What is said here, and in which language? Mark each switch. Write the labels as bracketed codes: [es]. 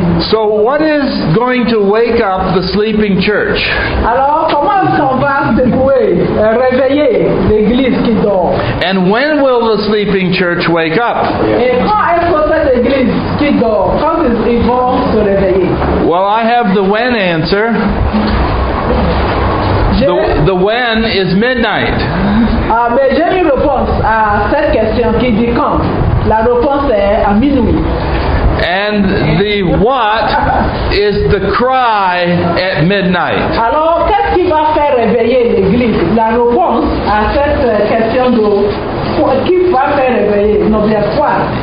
[en] So what is going to wake up the sleeping church? [fr] Alors comment est-ce qu'on va réveiller l'église qui dort? [en] And when will the sleeping church wake up? [fr] Et quand est-ce que cette église qui dort? Quand ils vont se réveiller? [en] Well, I have the when answer. The when is midnight. [fr] Ah, mais j'ai une réponse à cette question qui dit quand. La réponse est à minuit. [en] And the what is the cry at midnight? [fr] Alors, qu'est-ce qui va faire réveiller l'église? La réponse à cette question de qui va faire réveiller notre espoir?